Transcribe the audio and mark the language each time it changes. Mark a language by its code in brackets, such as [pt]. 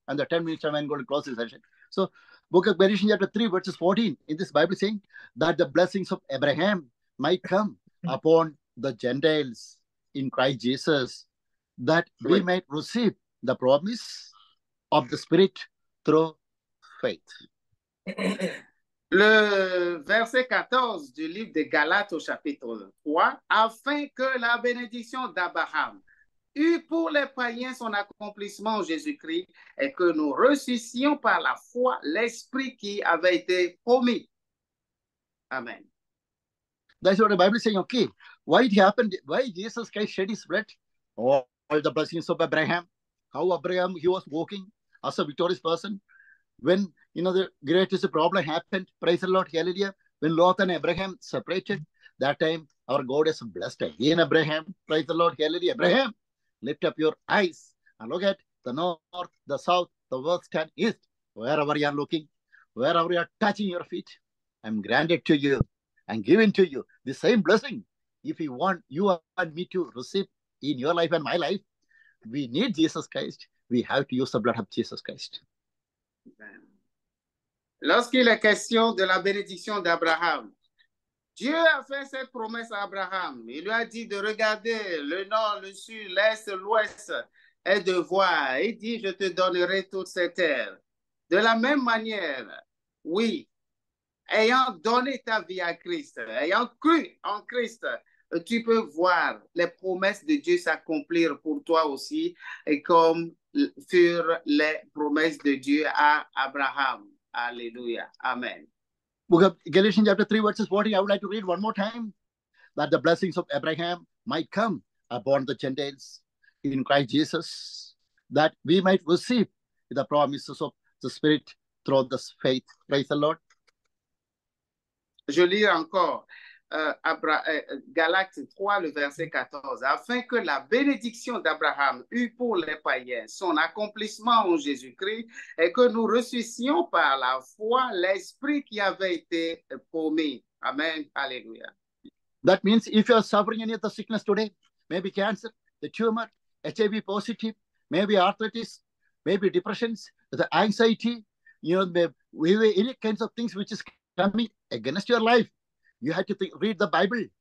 [en] And the 10-minute time, I'm going to close the session. So, Book of Galatians chapter 3 verses 14, in this Bible saying that the blessings of Abraham might come upon the Gentiles in Christ Jesus, that we might receive the promise of the Spirit through faith. [fr] Le verset 14 du livre de Galates au chapitre 3, afin que la bénédiction d'Abraham eût pour les païens son accomplissement en Jésus-Christ et que nous reçussions par la foi l'esprit qui avait été promis. Amen. [en] That's what the Bible is saying, okay. Why it happened? Why Jesus Christ shed his blood? All the blessings of Abraham. How Abraham, he was walking as a victorious person. When, you know, the greatest problem happened, praise the Lord, hallelujah, when Lot and Abraham separated, that time our God has blessed again Abraham, praise the Lord, hallelujah. Abraham, lift up your eyes and look at the north, the south, the west and east, wherever you are looking, wherever you are touching your feet, I'm granted to you and given to you the same blessing. If you want you and me to receive in your life and my life, we need Jesus Christ. We have to use the blood of Jesus Christ. [fr] Lorsqu'il est question de la bénédiction d'Abraham, Dieu a fait cette promesse à Abraham. Il lui a dit de regarder le nord, le sud, l'est, l'ouest et de voir. Il dit, je te donnerai toutes ces terres. De la même manière, oui, ayant donné ta vie à Christ, ayant cru en Christ, tu peux voir les promesses de Dieu s'accomplir pour toi aussi et comme furent les promesses de Dieu à Abraham. Alléluia. Amen. [en] Book of Galatians chapter 3 verses 40, I would like to read one more time, that the blessings of Abraham might come upon the Gentiles in Christ Jesus, that we might receive the promises of the Spirit through this faith. Praise the Lord. [fr] Je lis encore Galates 3, le verset 14, afin que la bénédiction d'Abraham eût pour les païens son accomplissement en Jésus-Christ et que nous reçussions par la foi l'esprit qui avait été promis. Amen. Alléluia. [en] That means if you are suffering any of the sickness today, maybe cancer, the tumor, HIV positive, maybe arthritis, maybe depressions, the anxiety, you know, maybe any kinds of things which is coming against your life, you have to read the Bible.